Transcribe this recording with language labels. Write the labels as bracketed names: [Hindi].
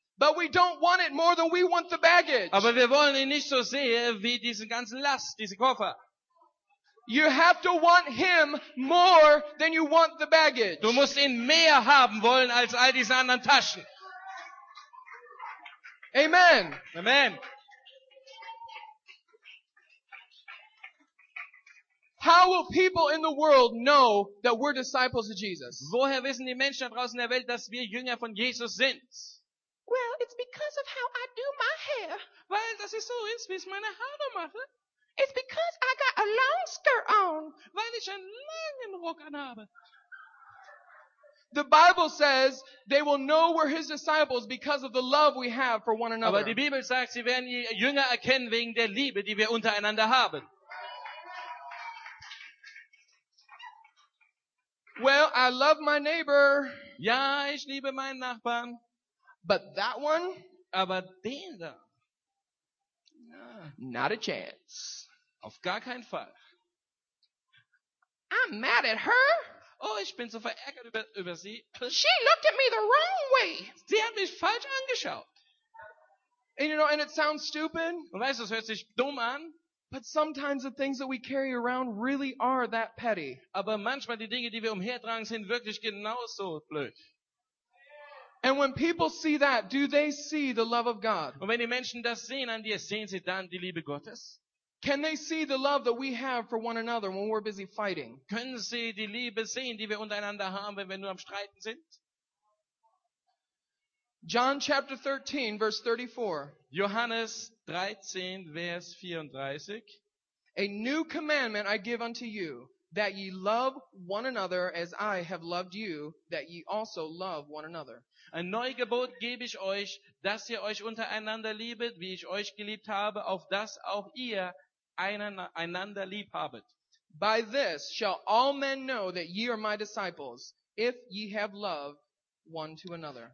[English] But we don't want it more than we want the baggage. [German] Aber wir wollen ihn nicht so sehr wie diesen ganzen Last, diesen Koffer. [English] You have to want Him more than you want the baggage. [German] Du musst ihn mehr haben wollen als all diese anderen Taschen. [English] Amen. [German] Amen. [English] How will people in the world know that we're disciples of Jesus? [German] Woher wissen die Menschen draußen in der Welt, dass wir Jünger von Jesus sind? [English] Well, it's because of how I do my hair. [German] Weil das ist so, wie ich meine Haare mache. [English] It's because I got a long skirt on. [German] Weil ich einen langen Rock anhabe. [English] The Bible says they will know we're His disciples because of the love we have for one another. [German] Aber die Bibel sagt, sie werden die Jünger erkennen wegen der Liebe, die wir untereinander haben. [English] Well, I love my neighbor. [German] Ja, ich liebe meinen Nachbarn. [English] But that one? [German] Aber den da? [English] Not a chance. [German] Auf gar keinen Fall. [English] I'm mad at her. [German] Oh, ich bin so verärgert über sie. [English] She looked at me the wrong way. [German] Sie hat mich falsch angeschaut. [English] And you know, and it sounds stupid. [German] Und weißt du, es hört sich dumm an. [English] But sometimes the things that we carry around really are that petty. [German] Aber manchmal die Dinge, die wir umhertragen, sind wirklich genauso blöd. [English] And when people see that, do they see the love of God? [German] Und wenn die Menschen das sehen an dir, sehen sie dann die Liebe Gottes? [English] Can they see the love that we have for one another when we're busy fighting? [German] Können sie die Liebe sehen, die wir untereinander haben, wenn wir nur am Streiten sind? [English] John chapter 13, verse 34. [German] Johannes 13, Vers 34. [English] A new commandment I give unto you, that ye love one another as I have loved you, that ye also love one another. [German] Ein neues Gebot gebe ich euch, dass ihr euch untereinander liebet, wie ich euch geliebt habe, auf dass auch ihr einander lieb habet. [English] By this shall all men know that ye are my disciples, if ye have love one to another.